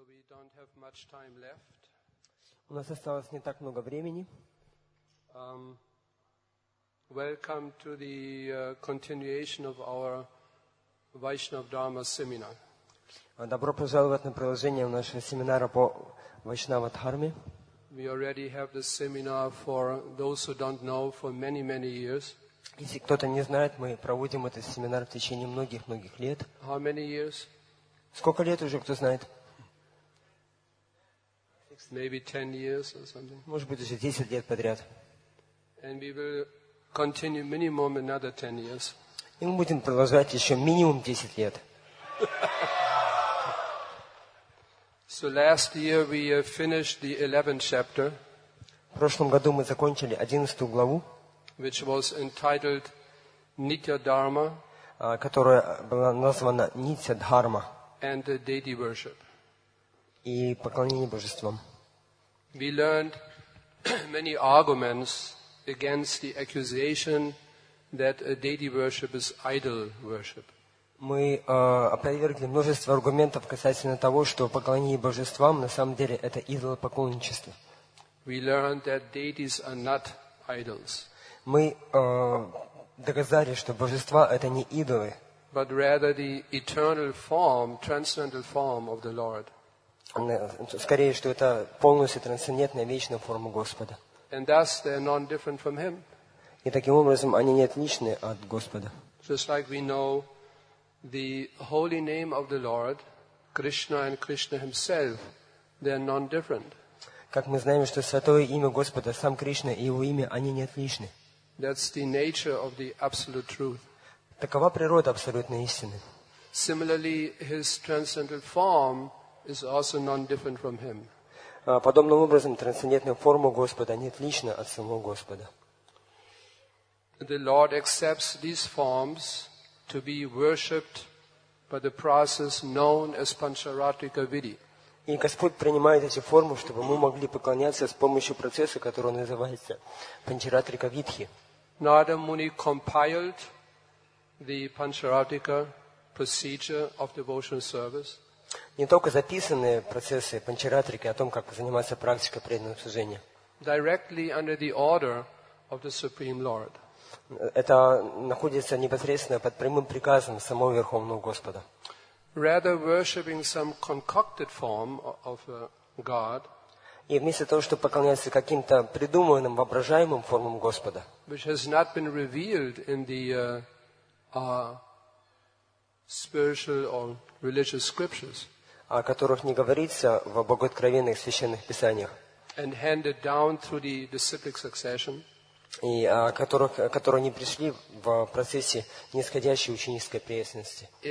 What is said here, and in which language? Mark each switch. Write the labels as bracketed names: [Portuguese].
[English] don't have much time left. [Russian] У нас осталось не так много времени. [English] Welcome to the continuation of our Vaishnav Dharma seminar. [Russian] Добро пожаловать на продолжение нашего семинара по Вайшнава Дхарме. [English] We already have the seminar for those who don't know for many, many years. [Russian] Если кто-то не знает, мы проводим этот семинар в течение многих-многих лет. [English] How many years? [Russian] Сколько лет уже, кто знает? [English] Maybe 10 years or something. [Russian] Может быть, уже 10 лет подряд. [English] And we will continue minimum another 10 years. [Russian] И мы будем продолжать еще минимум 10 лет. [English] So last year we finished the 11th chapter. [Russian] В прошлом году мы закончили 11 главу, [English] which was entitled Nitya Dharma, [Russian] которая была названа Нитья Дхарма, [English] and deity worship. [Russian] И поклонение божествам. [English] We learned many arguments against the accusation that deity worship is idol worship. [Russian] Мы опровергли множество аргументов касательно того, что поклонение божествам на самом деле это идолопоклонничество. [English] We learned that deities are not idols. [Russian] Мы доказали, что божества это не идолы. [English] But rather the eternal form, transcendental form of the Lord. [Russian] Скорее, что это полностью трансцендентная вечная форма Господа. [English] And thus they are non-different from Him. [Russian] И таким образом они не отличны от Господа. [English] Just like we know the holy name of the Lord, Krishna and Krishna Himself, they are non-different. [Russian] Как мы знаем, что святое имя Господа, сам Кришна и Его имя, они не отличны. [English] That's the nature of the absolute truth. [Russian] Такова природа абсолютной истины. [English] Similarly, His transcendental form is also non-different from Him. [Russian] Подобным образом, трансцендентная форма Господа не отлична от самого Господа. [English] The Lord accepts these forms to be worshipped by the process known as Pancharatrika Vidhi. [Russian] И Господь принимает эти формы, чтобы мы могли поклоняться с помощью процесса, который называется Pancharatrika Vidhi. [English] Narada Muni compiled the Pancharatrika procedure of devotional service. [Russian] Не только записанные процессы Pancharatrika о том, как заниматься практикой преданного служения. [English] Directly under the order of the Supreme Lord. [Russian] Это находится непосредственно под прямым приказом самого Верховного Господа. [English] Rather worshipping some concocted form of a God, [Russian] и вместо того, чтобы поклоняться каким-то придуманным, воображаемым формам Господа, [English] which has not been revealed in the spiritual or religious scriptures, [Russian] о которых не говорится в богооткровенных священных писаниях, [English] and handed down through the disciplic succession, [Russian] и которые не пришли в процессе нисходящей ученической преемственности.